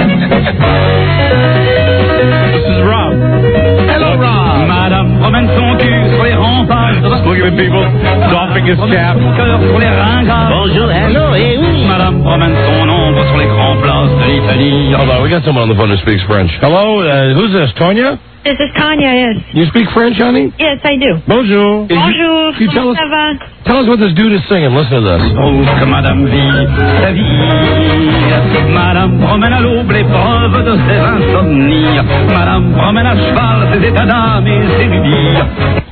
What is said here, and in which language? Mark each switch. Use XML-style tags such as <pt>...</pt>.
<en>This is Rob. Hello, Rob.</en> <fr>Madame, promène son cul sur les remparts.</fr> <en>Look at the people doffing his cap.</en> <fr>Bonjour,</fr> <en>hello,</en> <fr>eh oui. Madame, promène son ombre sur les grands places de l'Italie.</fr> <en>Hold on, we got someone on the phone who speaks French. Hello, who's this, Tonya?</en> <fr>Oui.</fr> <en>This is Tanya, yes. You speak French, honey? Yes, I do.</en> <fr>Bonjour. Bonjour.</fr> <en>Can you tell us, what this dude is singing? Listen to this.</en> <fr>Oh, madame vie, sa vie. Madame promène à l'aube l'épreuve de ses insomnies. Madame promène à cheval ses états d'âme et ses rubis.</fr>